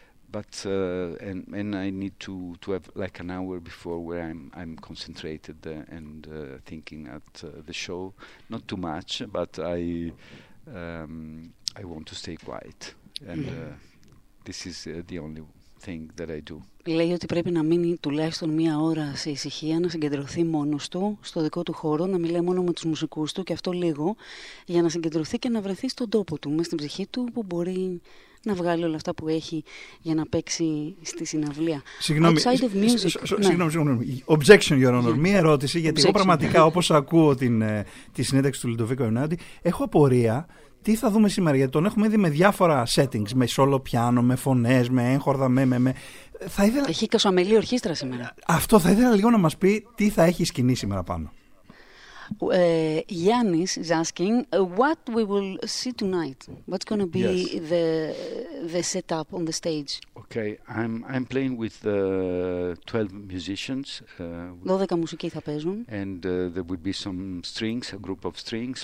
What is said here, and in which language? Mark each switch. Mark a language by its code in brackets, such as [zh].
[en] But and I need to have like an hour before where I'm concentrated and thinking at the show, not too much, but I want to stay quiet, and this is the only thing that I do. [el] Λέει ότι πρέπει να μείνει τουλάχιστον μία ώρα σε ησυχία, να συγκεντρωθεί μόνος του στο δικό του χώρο, να μιλάει μόνο με τους μουσικούς του και αυτό λίγο, για να συγκεντρωθεί και να βρεθεί στον τόπο του, μέσα στην ψυχή του που μπορεί να βγάλει όλα αυτά που έχει για να παίξει στη συναυλία. Συγγνώμη, [en] outside of music, [el] συγγνώμη. [en] Objection, Your Honor. [el] Μία ερώτηση, γιατί εγώ πραγματικά όπως ακούω τη συνέντευξη του Λουντοβίκο Ενάντη, έχω απορία τι θα δούμε σήμερα, γιατί τον έχουμε ήδη με διάφορα settings, με solo πιάνο, με φωνές, με έγχορδα, με. Θα ήθελα... Έχει κασοαμελή ορχήστρα σήμερα. Αυτό θα ήθελα λίγο να μας πει τι θα έχει σκηνή σήμερα πάνω. [en] Yannis is asking what we will see tonight. What's going to be the setup on the stage? Okay, I'm playing with 12 musicians. [el] 12 μουσικοί θα παίζουν. [en] And there will be some strings, a group of strings,